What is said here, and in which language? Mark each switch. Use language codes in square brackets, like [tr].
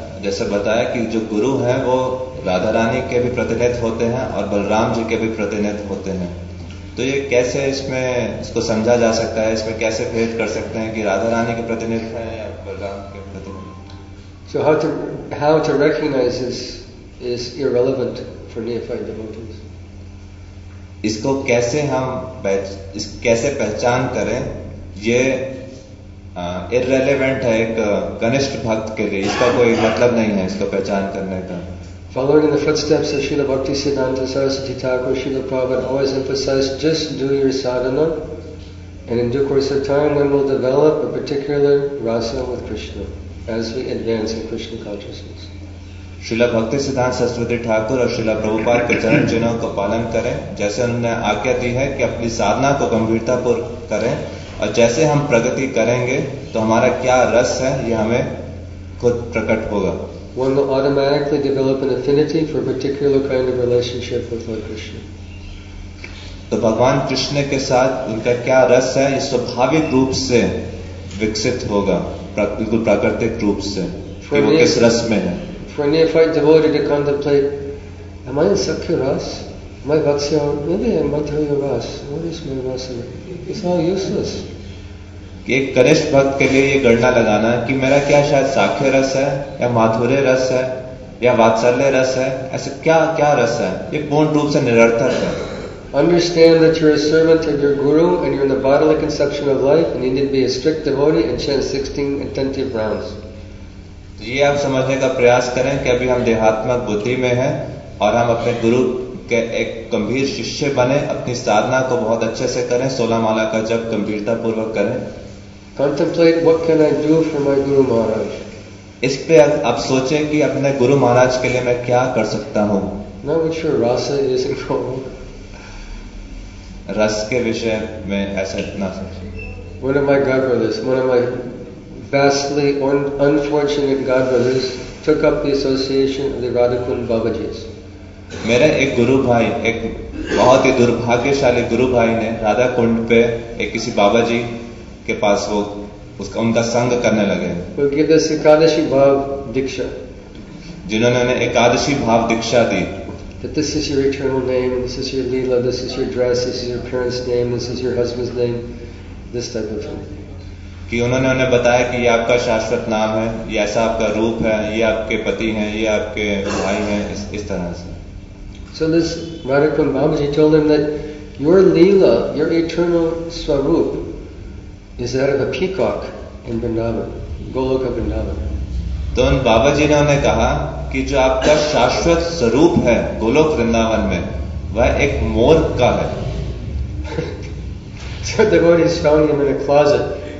[hi] जैसे बताया कि जो गुरु है वो राधा रानी के भी प्रतिनिधि होते हैं और बलराम जी के भी प्रतिनिधि होते हैं, तो ये कैसे इसमें इसको समझा जा सकता है, इसमें कैसे भेद कर सकते हैं कि राधा रानी के प्रतिनिधि हैं या बलराम के प्रतिनिधि? [en] So how to recognize this is irrelevant for neophyte devotees. [hi] इसको कैसे हम कैसे पहचान करें, ये irrelevant है एक कनिष्ठ भक्त के लिए. इसका कोई मतलब नहीं है इसको पहचान करने का. [en] Following in the footsteps of Srila Bhakti Siddhanta Saraswati Thakur, Srila Prabhupada always emphasized just do your sadhana, and in due course of time one will develop a particular rasa with Krishna as we advance in Krishna consciousness. [hi] Srila Bhakti Siddhanta Saraswati Thakur and Srila Prabhupada ke charan chinon ko palan kare, jaise unne aagya di hai ki apni sadhana ko gambhirta pur kare. और जैसे हम प्रगति करेंगे तो हमारा क्या रस है ये हमें खुद प्रकट होगा. [en] One will automatically develop an affinity for a particular kind of relationship with Lord Krishna. [hi] तो भगवान कृष्ण के साथ उनका क्या रस है ये स्वाभाविक रूप से विकसित होगा, बिल्कुल प्राकृतिक रूप से कि वो किस रस में है. [en] For a neophyte devotee to contemplate, am I in Sakya Ras? Am I Vatsya? Maybe I'm Madhurya Ras. What is my Rasa? It's all useless. [hi] एक कनिष्ठ भक्त के लिए ये गणना लगाना कि मेरा क्या शायद साख्य रस है या माधुर्य रस है या वात्सल्य रस है, ऐसे क्या क्या रस है, ये पूर्ण रूप से निरर्थक है. [en] Understand that you're a servant of your guru and you're in the bodily conception of life and you need to be a strict devotee and chant 16 attentive rounds. [hi] ये आप समझने का प्रयास करें कि अभी हम देहात्मक बुद्धि में हैं और हम अपने गुरु के एक गंभीर शिष्य बने, अपनी साधना को बहुत अच्छे से करें, 16 माला का जप गंभीरता पूर्वक करें. [en] Contemplate what can I do for my Guru Maharaj. [hi] इस पे आप सोचें कि अपने गुरु महाराज के लिए मैं क्या कर सकता हूँ. [en] Not with your rasa is it wrong? [hi] रस के विषय में ऐसा इतना सोचें. [en] One of my god brothers, one of my vastly unfortunate god brothers, took up the association of the Radhakund Babaji's. [hi] मेरे एक गुरु भाई, एक बहुत ही दुर्भाग्यशाली गुरु भाई ने राधा कुंड पे एक किसी बाबा जी के पास वो उसका उनका संग करने लगे. एकादशी भाव दीक्षा, जिन्होंने उन्हें एकादशी भाव दीक्षा दी. [en] This is your eternal name, this is your lila, this is your dress, this is your parents' name, this is your husband's name, this type of thing. [hi] कि उन्होंने उन्हें बताया कि ये आपका शाश्वत नाम है, ये ऐसा आपका रूप है, ये आपके पति हैं, ये आपके भाई हैं, इस तरह से. [en] So this Radhakund Babaji told him that your Leela, your eternal swarup, is that of a peacock in Vrindavan, Goloka Vrindavan. [hi] तो उन बाबा जी ने उन्हें कहा कि जो आपका शाश्वत स्वरूप है गोलोक वृंदावन में वह एक मोर का है. [en] So the devotee is found him in a closet.